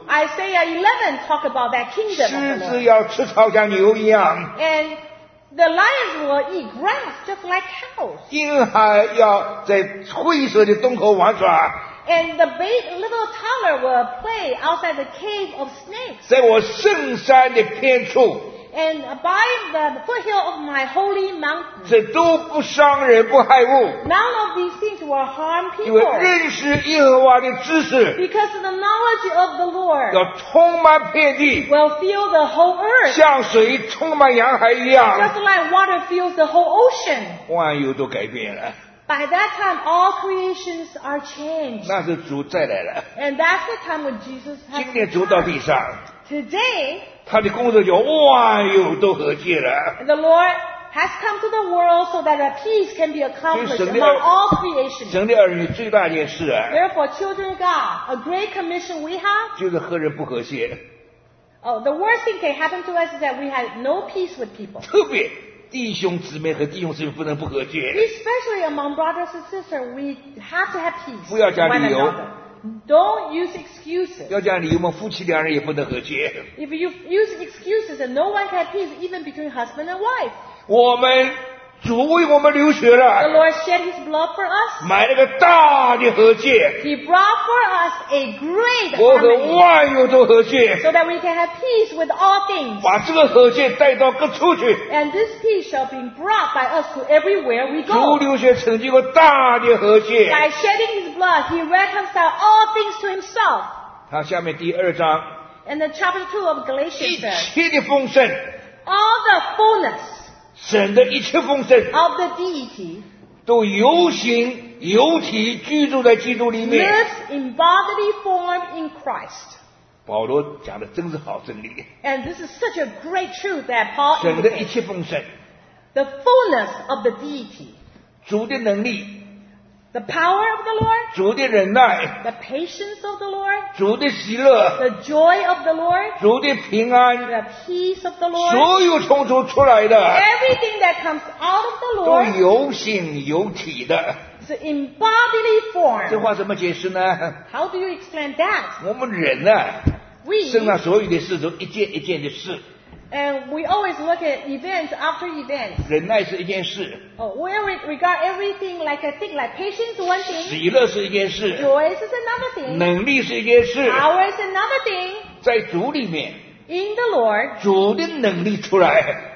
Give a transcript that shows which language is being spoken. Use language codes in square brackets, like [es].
[en] Isaiah 11 talk about that kingdom. [zh] 狮子要吃草像牛一样。 [en] And the lions will eat grass just like cows. [zh] 婴孩要在灰色的洞口玩耍。 [en] And the big little toddler will play outside the cave of snakes. [zh] 在我圣山的偏处。 [en] And by the foothill of my holy mountain. [zh] 这都不伤人不害物。 [en] None of these things will harm people. [zh] 因为认识耶和华的知识。 [en] Because of the knowledge of the Lord. [zh] 要充满遍地。 [en] Will fill the whole earth. [zh] 像水充满洋海一样。 [en] Just like water fills the whole ocean. [zh] 万有都改变了。 [en] By that time, all creations are changed. [zh] 那是主再来了。 [en] And that's the time when Jesus has come. [zh] 今天主到地上。 [en] Today, [zh] 他的工作叫万有都和解了。 [en] The Lord has come to the world so that a peace can be accomplished among all creation. [zh] 神的儿女最大件事啊。 [en] Therefore, children of God, a great commission we have. [zh] 就是和人不和解。 [en] Oh, the worst thing can happen to us is that we have no peace with people. [zh] 特别弟兄姊妹和弟兄姊妹不能不和解。 [en] Especially among brothers and sisters, we have to have peace. [zh] 不要加理由。 [en] Don't use excuses. [zh] 要讲理由，我们夫妻两人也不能和解。 [en] If you use excuses, then no one can have peace, even between husband and wife. [zh] 我们主为我们流血了。 [en] The Lord shed His blood for us. [zh] 买了个大的和解。 [en] He brought for us a great. [zh] 我和万有都和解。 [en] So that we can have peace with all things. [zh] 把这个和解带到各处去。 [en] And this peace shall be brought by us to everywhere we go. [zh] 主流血成就个大的和解。 [en] By shedding His blood, He reconciled all things to Himself. [zh] 他下面第二章。 [en] And the chapter 2 of Galatians. [zh] 一切的丰盛。 [en] All the fullness. [zh] 神的一切丰盛。 [en] Of the deity. [zh] 都有形有体居住在基督里面。 [en] Lives in bodily form in Christ. [zh] 保罗讲的真是好真理。 [en] And this is such a great truth that Paul. [zh] 神的一切丰盛。 [en] The fullness of the deity. [zh] 主的能力。 [en] The power of the Lord. [zh] 主的忍耐。 [en] The patience of the Lord. [zh] 主的喜乐。 [en] The joy of the Lord. [zh] 主的平安。 [en] The peace of the Lord. [zh] 所有从主出来的。 [en] Everything that comes out of the Lord. [zh] 都有形有体的。 [en] It's in bodily form. [zh] 这话怎么解释呢？ [en] How do you explain that? [zh] 我们人啊，身上所有的事都一件一件的事。 [en] And we always look at events after events. [zh] 忍耐是一件事。 [en] Oh, we regard everything like a thing, like patience one thing. [zh] 喜乐是一件事。 [en] Joy is another thing. [zh] 能力是一件事。 [en] Power is another thing. [zh] 在主里面。 [en] In the Lord. [zh] 主的能力出来。